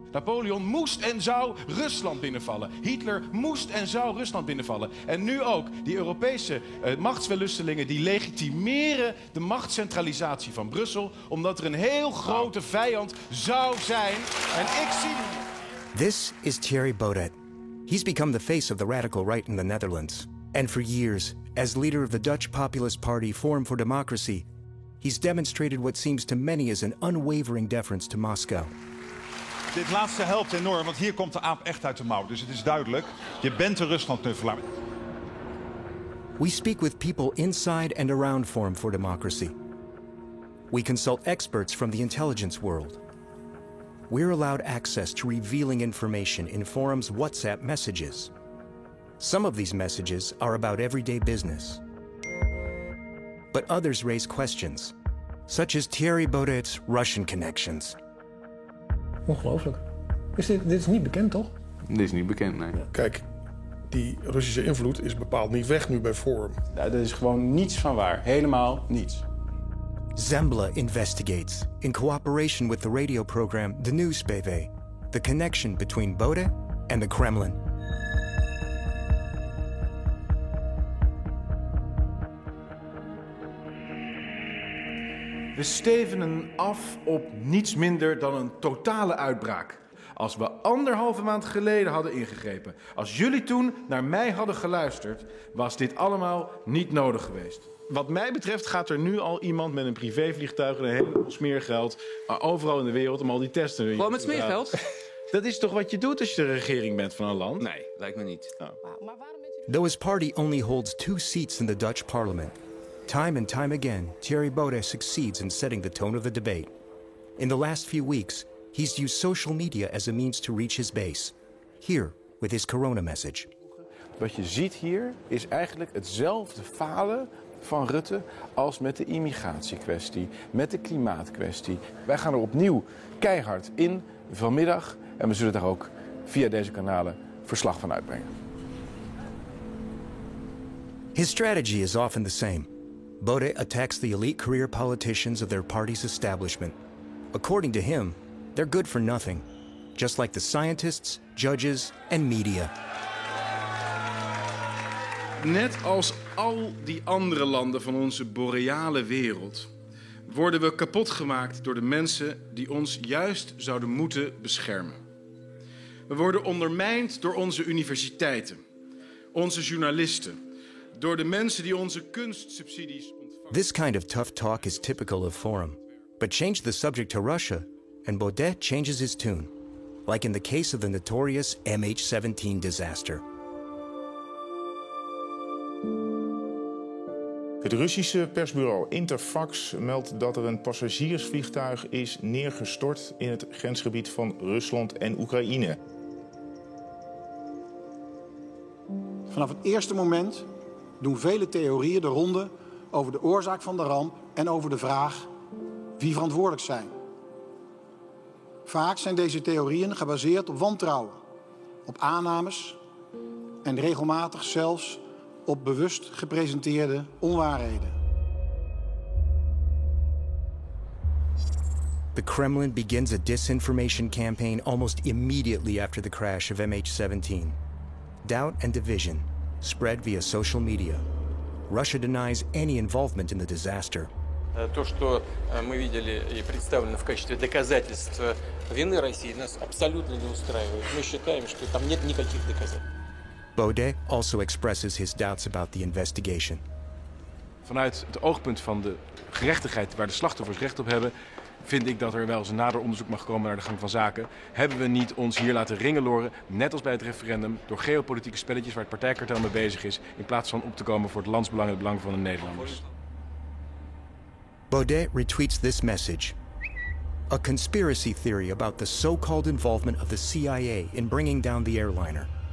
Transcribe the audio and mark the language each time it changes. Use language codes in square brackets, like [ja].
[nl] Napoleon moest en zou Rusland binnenvallen. Hitler moest en zou Rusland binnenvallen. En nu ook die Europese machtswellustelingen die legitimeren de machtscentralisatie van Brussel, omdat er een heel grote vijand zou zijn. En ik zie die. [en] This is Thierry Baudet. He's become the face of the radical right in the Netherlands. And for years, as leader of the Dutch populist party Forum for Democracy, he's demonstrated what seems to many as an unwavering deference to Moscow. [nl] Dit laatste helpt enorm, want hier komt de aap echt uit de mouw. Dus het is duidelijk, je bent de Rusland-knuffelaar. [en] We speak with people inside and around Forum for Democracy. We consult experts from the intelligence world. We're allowed access to revealing information in Forum's WhatsApp messages. Some of these messages are about everyday business. But others raise questions, such as Thierry Baudet's Russian connections. [nl] Ongelooflijk. Dit is niet bekend, toch? Dit is niet bekend, nee. Kijk, die Russische invloed is bepaald niet weg nu bij Forum. Ja, dat is gewoon niets van waar. Helemaal niets. [en] Zembla investigates in cooperation with the radio program The Nieuws, the connection between Baudet and the Kremlin. [nl] We stevenen af op niets minder dan een totale uitbraak. Als we anderhalve maand geleden hadden ingegrepen, als jullie toen naar mij hadden geluisterd, was dit allemaal niet nodig geweest. Wat mij betreft gaat er nu al iemand met een privévliegtuig en een heleboel smeergeld overal in de wereld om al die testen... Gewoon met smeergeld? Dat is toch wat je doet als je de regering bent van een land? Nee, lijkt me niet. [en] Though his party only holds two seats in the Dutch parliament, time and time again, Thierry Baudet succeeds in setting the tone of the debate. In the last few weeks, he's used social media as a means to reach his base. Here, with his corona message. [nl] Wat je ziet hier is eigenlijk hetzelfde falen van Rutte als met de immigratiekwestie, met de klimaatkwestie. Wij gaan er opnieuw keihard in vanmiddag en we zullen daar ook via deze kanalen verslag van uitbrengen. [en] His strategy is often the same. Baudet attacks the elite career politicians of their party's establishment. According to him, they're good for nothing, just like the scientists, judges and media. [nl] Net als al die andere landen van onze boreale wereld, worden we kapot gemaakt door de mensen die ons juist zouden moeten beschermen. We worden ondermijnd door onze universiteiten, onze journalisten, door de mensen die onze kunstsubsidies ontvangen. [en] This kind of tough talk is typical of Forum. But change the subject to Russia and Baudet changes his tune. Like in the case of the notorious MH17 disaster. [nl] Het Russische persbureau Interfax meldt dat er een passagiersvliegtuig is neergestort in het grensgebied van Rusland en Oekraïne. Vanaf het eerste moment doen vele theorieën de ronde over de oorzaak van de ramp en over de vraag wie verantwoordelijk zijn. Vaak zijn deze theorieën gebaseerd op wantrouwen, op aannames en regelmatig zelfs op bewust gepresenteerde onwaarheden. [en] The Kremlin begins a disinformation campaign almost immediately after the crash of MH17. Doubt and division spread via social media. Russia denies any involvement in the disaster. [ru] То, что мы видели и представлено в качестве доказательств вины России, нас абсолютно не устраивает. Мы считаем, что там нет никаких доказательств. [en] Baudet also expresses his doubts about the investigation. [nl] Vanuit het oogpunt van de gerechtigheid waar de slachtoffers recht op hebben, vind ik dat er wel eens een nader onderzoek mag komen naar de gang van zaken. Hebben we niet ons hier laten ringeloren, net als bij het referendum, door geopolitieke spelletjes waar het partijkartel mee bezig is, in plaats van op te komen voor het landsbelang en het belang van de Nederlanders? [en] Baudet retweets this message. A conspiracy theory about the so-called involvement of the CIA in bringing down the airliner.